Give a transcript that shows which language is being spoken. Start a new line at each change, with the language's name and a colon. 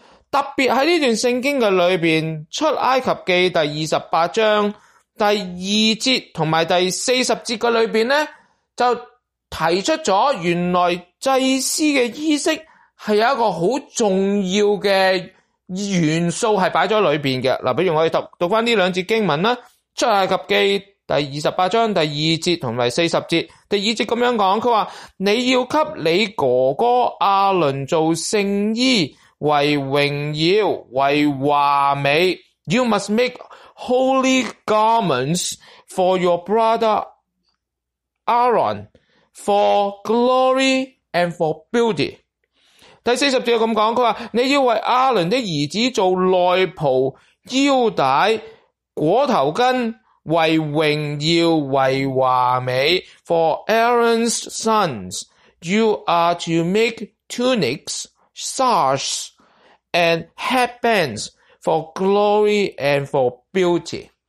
Cantonese: 特別喺呢段聖經嘅裏面，出埃及記第28章第二節同埋第40節嘅裏面呢，就提出咗原來祭司嘅衣飾係有一個好重要嘅元素係擺咗裏面嘅。比如我哋讀返呢兩節經文啦，出埃及記第28章第二節同埋40節。第二節咁樣講，佢話你要給你哥哥阿倫做聖衣，为荣耀，为华美。
English: You must make holy garments for your brother Aaron for glory and for beauty.
Cantonese: 第四十节咁讲，佢话你要为阿伦的儿子做内袍、腰带、裹头巾，为荣耀，为华美。
English: For Aaron's sons, you are to make tunics, sash,and headbands for glory and for beauty。